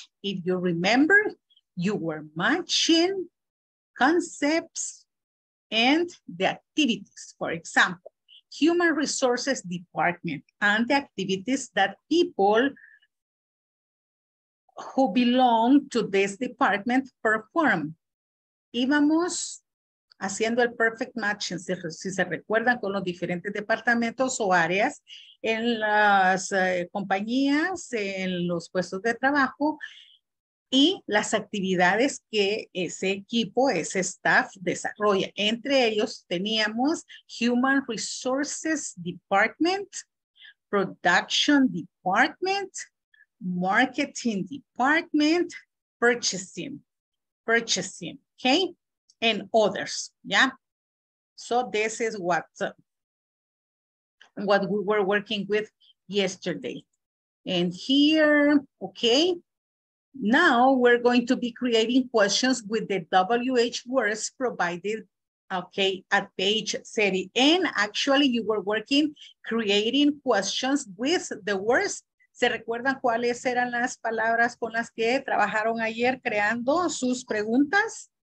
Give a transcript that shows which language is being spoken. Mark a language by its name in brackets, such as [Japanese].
[English] If you remember, you were matching concepts and the activities. For example, human resources department and the activities that people who belong to this department perform. [Spanish] Íbamos haciendo el [English] perfect match, [Spanish] si se recuerdan, con los diferentes departamentos o áreas en las compañías, en los puestos de trabajo, y las actividades que ese equipo, ese staff desarrolla. Entre ellos teníamos Human Resources Department, Production Department, Marketing Department, Purchasing, okay? [English] And others, yeah? So this is what we were working with yesterday. And here, okay? Now we're going to be creating questions with the WH words provided, okay, at page 30. And actually you were working creating questions with the words. [Spanish] ¿Se recuerdan cuáles eran las palabras con las que trabajaron ayer creando sus preguntas?